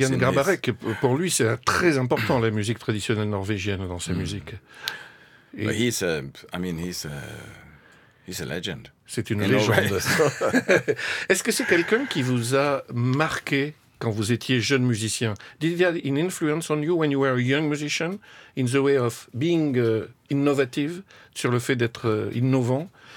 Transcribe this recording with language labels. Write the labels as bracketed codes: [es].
[fr] Jan Garbarek, pour lui, c'est très important la musique traditionnelle norvégienne dans sa musique. [en] But he's a, I mean, he's a legend. [fr] C'est une légende. Est-ce que c'est quelqu'un qui vous a marqué quand vous étiez jeune musicien? [en] Did he have an influence on you when you were a young musician in the way of being innovative, [fr] sur le fait d'être innovant?